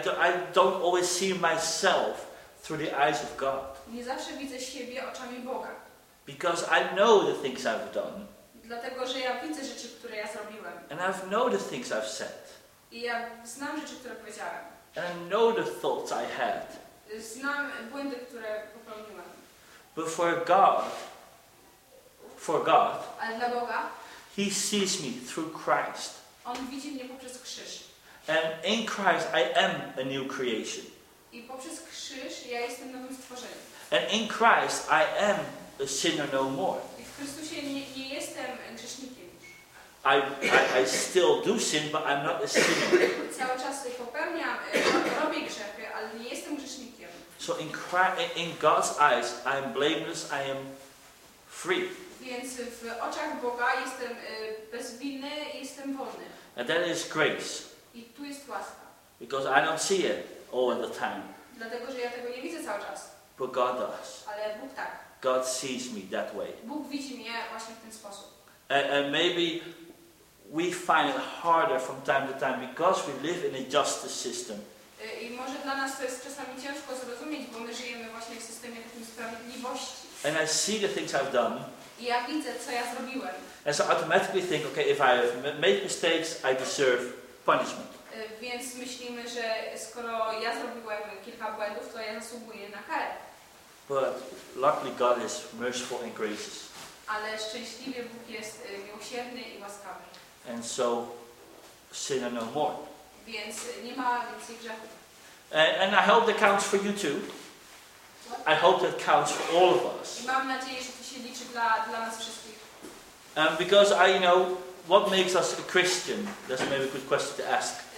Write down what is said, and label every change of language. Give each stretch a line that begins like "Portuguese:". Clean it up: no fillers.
English: I don't always see myself through the eyes of God.
Polish: Nie zawsze widzę siebie oczami Boga.
English: Because I know the things I've done.
Polish: Dlatego, że ja widzę rzeczy, które ja zrobiłem.
English: And I know the things I've said.
Polish: I ja znam rzeczy, które powiedziałem.
English: And I know the thoughts I had.
Polish: Znam błędy, które popełniłem.
English: But for God,
Polish: ale dla Boga,
English: he sees me through Christ.
Polish: On widzi mnie poprzez krzyż.
English: And in Christ I am a new creation.
Polish: I poprzez krzyż ja jestem nowym stworzeniem.
English: And in Christ I am a sinner no more.
Polish: I w Chrystusie nie jestem grzesznikiem.
English: I still do sin, but I'm not a sinner.
Polish: Cały czas popełniam, robię grzechy, ale nie jestem grzesznikiem.
English: So in God's eyes I am blameless, I am free.
Polish: Więc w oczach Boga jestem bezwinny, jestem wolny.
English: And that is grace.
Polish: I tu jest łaska.
English: Because I don't see it all the time.
Polish: Dlatego, że ja tego nie widzę cały czas.
English: But God does.
Polish: Ale Bóg tak.
English: God sees me that way.
Polish: Bóg widzi mnie właśnie w ten sposób.
English: And maybe we find it harder from time to time because we live in a justice system.
Polish: I może dla nas to jest czasami ciężko zrozumieć, bo my żyjemy właśnie w systemie takim sprawiedliwości.
English: And I see the things I've done.
Polish: I ja widzę, co ja zrobiłem.
English: And so I automatically think, okay, if I have made mistakes, I deserve punishment.
Polish: Więc myślimy, że skoro ja zrobiłem kilka błędów, to ja zasługuję na karę.
English: But luckily God is merciful and gracious.
Polish: Ale szczęśliwie Bóg jest miłosierny i łaskawy.
English: And so sin no more.
Polish: Więc nie ma więcej grzechu.
English: And I hope that counts for you too. What? I hope that counts for all of us.
Polish: I mam nadzieję, że to się liczy dla nas wszystkich.
English: Because I know what makes us a Christian. That's maybe a good question to ask.